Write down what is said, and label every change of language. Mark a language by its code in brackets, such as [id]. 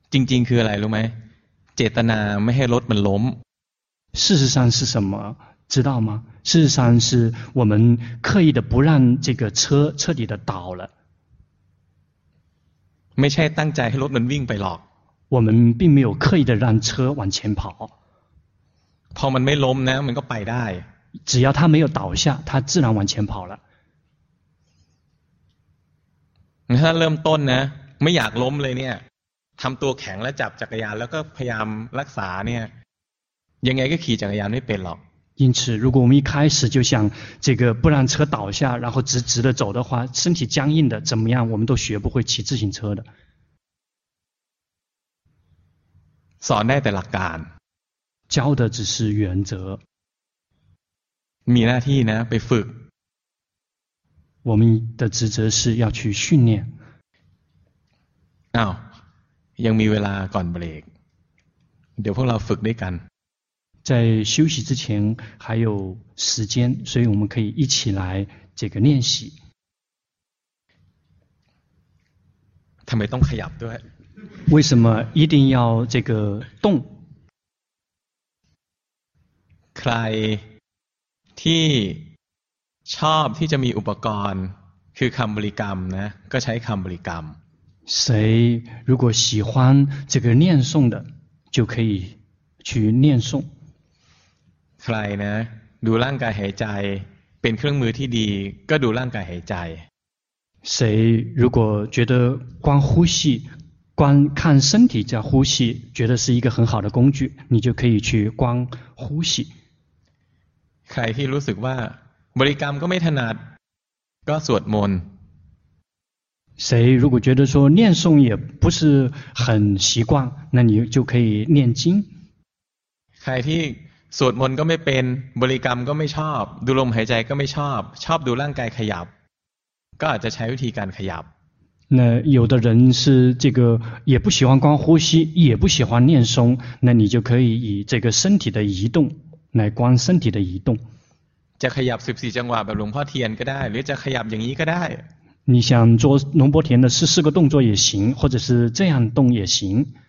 [th] จริงๆคืออะไรรู้ไหมเจตนาไม่ให้รถมันล้ม [zh] 事实上是什么知道吗事实上是我们刻意的不让这个车彻底的倒了 [th] ไม่ใช่ตั้งใจให้รถมันวิ่งไปหรอก [zh] 我们并没有刻意的让车往前跑 [th] พอมันไม่ล้มนะมันก็ไปได้ [zh] 只要他没有倒下他自然往前跑了他 [th] เริ่มต้นนะไม่อยากล้มเลยเนี่ยทำตัวแข็งและจับจักรยานแล้วก็พยายามรักษาเนี่ยยังไงก็ขี่จักรยานไม่เป็นหรอก [zh] 因此如果我们一开始就想这个不让车倒下然后直直的走的话身体僵硬的怎么样我们都学不会骑自行车的 [th] สอนได้แต่หลักการ [zh] 教的只是原则 [th] มีหน้าที่นะไปฝึก [zh] 我们的职责是要去训练 [th] อ้าวยังมีเวลาก่อนเบรกเดี๋ยวพวกเราฝึกด้วยกัน [zh] 在休息之前还有时间所以我们可以一起来这个练习 [th] ทำไมต้องขยับด้วย [zh] 为什么一定要这个动 [th] ใครที่ชอบที่จะมีอุปกรณ์คือคำบริกรรมนะก็ใช้คำบริกรรม [zh] 谁如果喜欢这个念诵的就可以去念诵 [th] ใครนะดูร่างกายหายใจเป็นเครื่องมือที่ดีก็ดูร่างกายหายใจ [zh] 谁如果觉得光呼吸观看身体在呼吸，觉得是一个很好的工具，你就可以去观呼吸。 [th] ใครที่รู้สึกว่าบริกรรมก็ไม่ถนัดก็สวดมนต์ [zh] 谁如果觉得说念诵也不是很习惯，那你就可以念经。 [th] ใครที่สวดมนต์ก็ไม่เป็นบริกรรมก็ไม่ชอบดูลมหายใจก็ไม่ชอบชอบดูร่างกายขยับก็อาจจะใช้วิธีการขยับ [zh] 那有的人是这个也不喜欢观呼吸，也不喜欢念诵，那你就可以以这个身体的移动来观身体的移动。 [th] จะขยับ14จังหวะแบบหลวงพ่อเทียนก็ได้หรือจะขยับอย่างนี้ก็ได้ [zh] 你想做龙波田的14个动作也行或者是这样动也行